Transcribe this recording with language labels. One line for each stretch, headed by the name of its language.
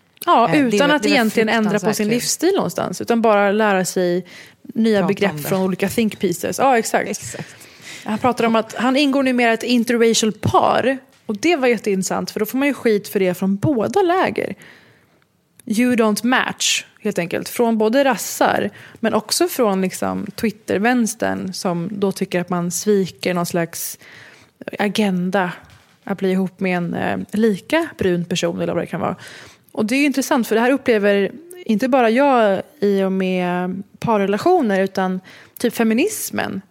Swedish: Ja, utan att egentligen ändra på sin livsstil någonstans, utan bara lära sig nya pratande begrepp från olika think pieces. Ja, exakt. Han pratade om att han ingår numera ett interracial par, och det var jätteintressant, för då får man ju skit för det från båda läger.
English: You don't match,
Swedish: helt enkelt. Från både rassar, men också från liksom Twitter-vänstern, som då tycker att man sviker någon slags agenda att bli ihop med en lika brun person, eller vad det kan vara. Och det är ju intressant, för det här upplever inte bara jag i och med parrelationer, utan typ feminismen.